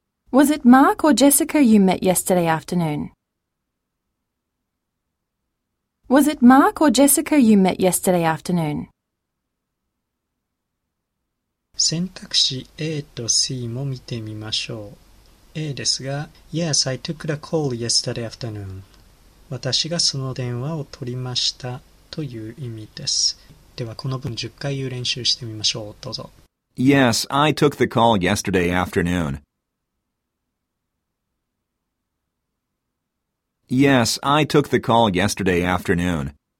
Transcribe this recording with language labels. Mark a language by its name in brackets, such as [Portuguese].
[English] Was it Mark or Jessica you met yesterday afternoon? Was it Mark or Jessica you met yesterday afternoon? [Japanese] 選択肢 A と C も見てみましょう。 [English] A [Japanese] ですが [English] Yes, I took the call yesterday afternoon. [Japanese] 私がその電話を取りましたという意味です。ではこの文10回言う練習してみましょう。どうぞ。 [English] Yes, I took the call yesterday afternoon. Yes, I took the call yesterday afternoon.